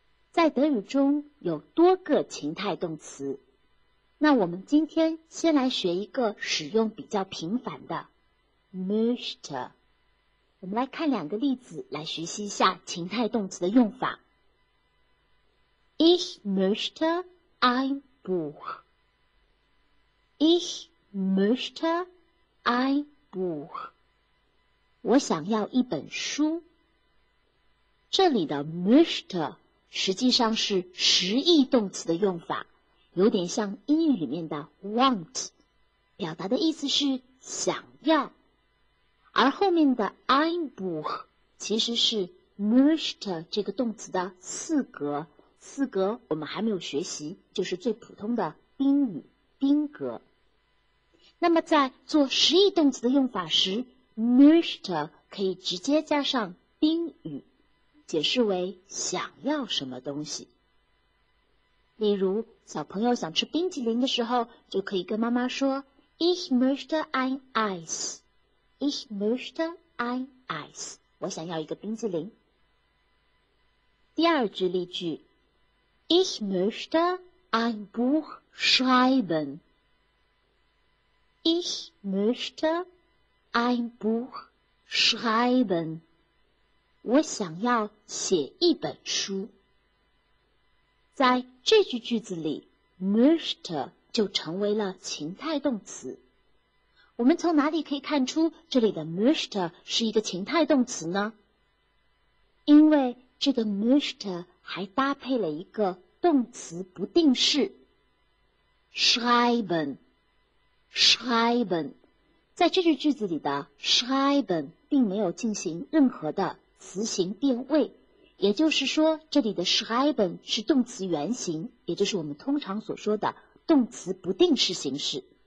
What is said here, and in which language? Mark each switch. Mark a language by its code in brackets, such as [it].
[zh] 在德语中有多个情态动词，那我们今天先来学一个使用比较频繁的 möchte。我们来看两个例子来学习一下情态动词的用法。 [de] Ich möchte ein Buch， Ich möchte ein Buch， [zh] 我想要一本书。这里的 möchte实际上是实义动词的用法，有点像英语里面的 want， 表达的意思是想要，而后面的 [de] ein Buch [zh] 其实是 möchte 这个动词的四格，四格我们还没有学习，就是最普通的宾语宾格。那么在做实义动词的用法时， möchte 可以直接加上宾语，解释为想要什么东西。例如小朋友想吃冰淇淋的时候，就可以跟妈妈说 [de] Ich möchte ein Eis， [zh] Ich möchte ein Eis， 我想要一个冰淇淋。第二句例句， [de] Ich möchte ein Buch schreiben， Ich möchte ein Buch schreiben， [zh] 我想要写一本书。在这句句子里 möchte 就成为了情态动词。我们从哪里可以看出这里的 möchte 是一个情态动词呢？因为这个 möchte 还搭配了一个动词不定式 schreiben， schreiben， 在这句句子里的 schreiben 并没有进行任何的词形变位，也就是说这里的 schreiben 是动词原形，也就是我们通常所说的动词不定式形式。